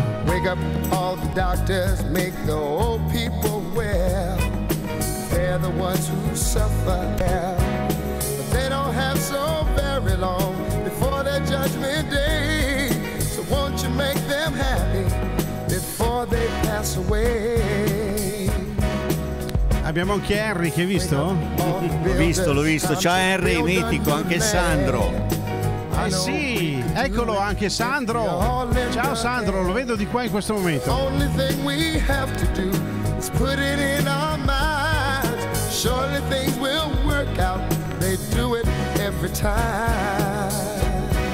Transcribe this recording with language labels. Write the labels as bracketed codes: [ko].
[en] Wake up all the doctors, make the old people well. They're the ones who suffer, but they don't have so very long before their judgment day. So won't you make them happy before they pass away. [it] Abbiamo anche Henry, che hai visto? L'ho visto. Ciao Henry, mitico, anche Sandro. Ah sì, eccolo anche Sandro. Ciao Sandro, lo vedo di qua in questo momento. [en] Only thing we have to do is put it in our minds. Surely things will work out, they do it every time.